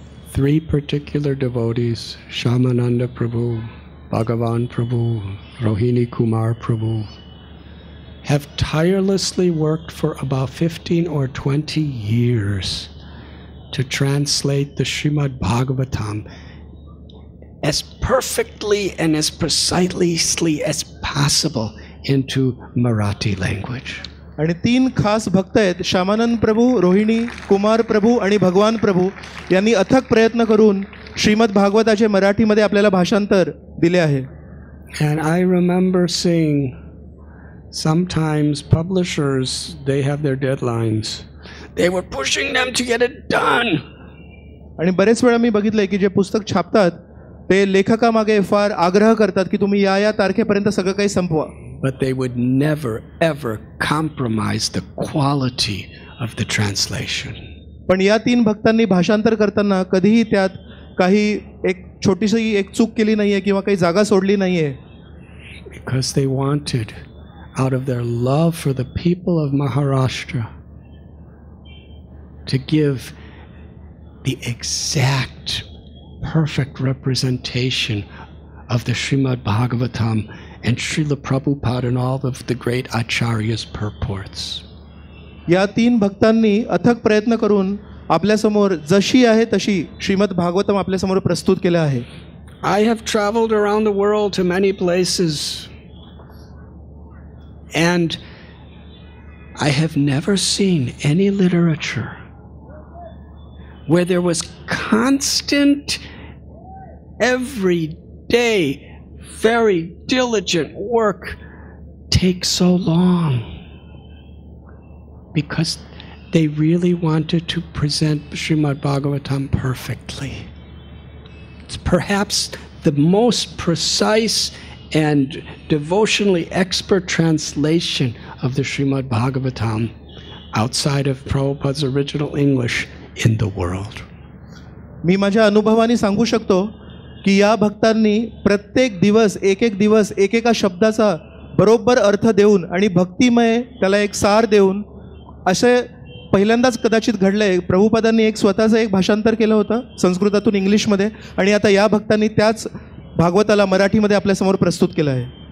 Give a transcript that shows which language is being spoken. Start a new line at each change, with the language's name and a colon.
English: Three particular devotees, Shamananda Prabhu, Bhagavan Prabhu, Rohini Kumar Prabhu, have tirelessly worked for about 15 or 20 years to translate the Srimad Bhagavatam as perfectly and as precisely as possible into Marathi language.
Marathi: आणि तीन खास भक्त आहेत, श्यामानंद प्रभू, रोहिणी कुमार प्रभू आणि भगवान प्रभू, यांनी अथक प्रयत्न करून श्रीमद भागवताचे मराठीमध्ये आपल्याला भाषांतर दिले आहे.
English: And I remember seeing sometimes publishers, they have their deadlines. They were pushing them to get it done.
Marathi: आणि बरेच वेळा मी बघितलंय की जे पुस्तक छापतात ते लेखकामागे फार आग्रह करतात की तुम्ही या या तारखेपर्यंत सगळं काही संपवा.
English: But they would never ever compromise the quality of the translation.
Marathi: पण या तीन भक्तांनी भाषांतर करताना कधीही त्यात काही एक छोटीशी एक चूक केली नाहीये किंवा काही जागा सोडली नाहीये.
English: Because they wanted out of their love for the people of Maharashtra to give the exact perfect representation of the Srimad Bhagavatam and Srila Prabhupada and all of the great Acharya's purports.
Marathi: या तीन भक्तांनी अथक प्रयत्न करून आपल्यासमोर जशी आहे तशी श्रीमद भागवतम आपल्यासमोर प्रस्तुत केले आहे.
English: I have traveled around the world to many places and I have never seen any literature where there was constant, every day, very diligent work take so long. Because they really wanted to present Srimad Bhagavatam perfectly. It's perhaps the most precise and devotionally expert translation of the Srimad Bhagavatam outside of Prabhupada's original English in the world.
Marathi: मी माझ्या अनुभवाने सांगू शकतो की या भक्तांनी प्रत्येक दिवस एक एक दिवस एक एका शब्दाचा बरोबर अर्थ देऊन आणि भक्तिमय त्याला एक सार देऊन असे पहिल्यांदाच कदाचित घडलंय. प्रभुपादांनी एक स्वतःचं एक भाषांतर केलं होतं संस्कृतातून इंग्लिशमध्ये आणि आता या भक्तांनी त्याच भागवताला मराठीमध्ये आपल्यासमोर प्रस्तुत केलं आहे.